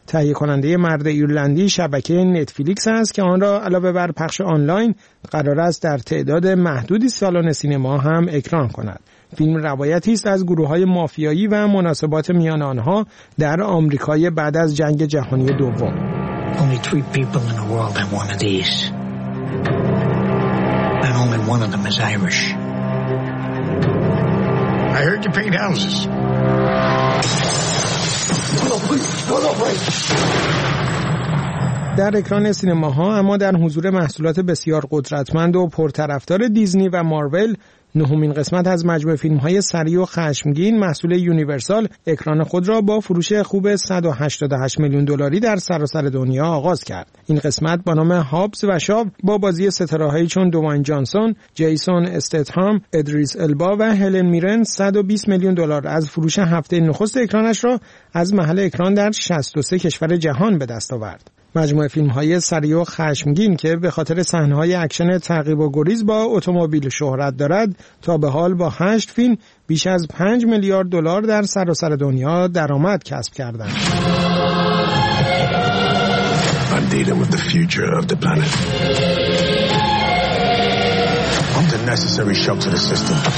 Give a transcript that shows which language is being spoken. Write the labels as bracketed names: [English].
[Persian] تهیه کننده مرد ایرلندی شبکه نتفلیکس است که آن را علاوه بر پخش آنلاین قرار است در تعداد محدودی سالن سینما هم اکران کند. فیلم روایتی است از گروه‌های مافیایی و مناسبات میان آنها در آمریکای بعد از جنگ جهانی دوم. [English] Only three people in the world have one of these. And only one of them is Irish. I heard you paint houses. [Persian] در اکران سینماها اما در حضور محصولات بسیار قدرتمند و پرطرفدار دیزنی و مارول، نهمین قسمت از مجموعه فیلم‌های سری و خشمگین محصول یونیورسال اکران خود را با فروش خوب 188 میلیون دلاری در سراسر دنیا آغاز کرد. این قسمت با نام هابز و شاو با بازی ستاره‌هایی چون دوان جانسون، جیسون استتهام، ادریس البا و هلن میرن 120 میلیون دلار از فروش هفته نخست اکرانش را از محل اکران در 63 کشور جهان به دست آورد. مجموعه فیلم‌های سریع و خشمگین که به خاطر صحنه‌های اکشن تعقیب و گریز با اتومبیل شهرت دارد تا به حال با 8 فیلم بیش از 5 میلیارد دلار در سراسر دنیا درآمد کسب کردند. [English] I'm dealing with the future of the planet. I'm the necessary shock to the system.